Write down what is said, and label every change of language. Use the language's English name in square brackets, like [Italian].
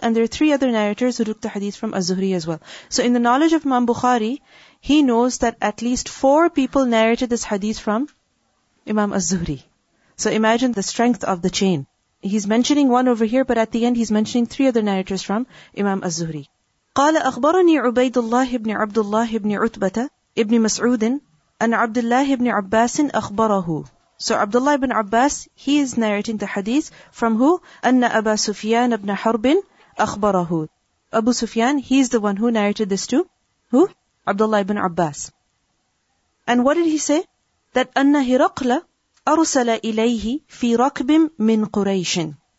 [English] And there are three other narrators who took the hadith from Az-Zuhri as well. So in the knowledge of Imam Bukhari, he knows that at least four people narrated this hadith from Imam Az-Zuhri. So imagine the strength of the chain. He's mentioning one over here, but at the end he's mentioning three other narrators from Imam Az-Zuhri. [Arabic] قال أخبرني عبيد الله بن عبد الله بن عتبة بن مسعود أن عبد الله بن عباس أخبره. [English] So Abdullah ibn Abbas, he is narrating the hadith from who? [Arabic] أن أبا سفيان بن حرب أخبره. [English] Abu Sufyan, he is the one who narrated this to who? Abdullah ibn Abbas. And what did he say? That [Arabic] أن هرقل أرسل إليه في ركب من قريش.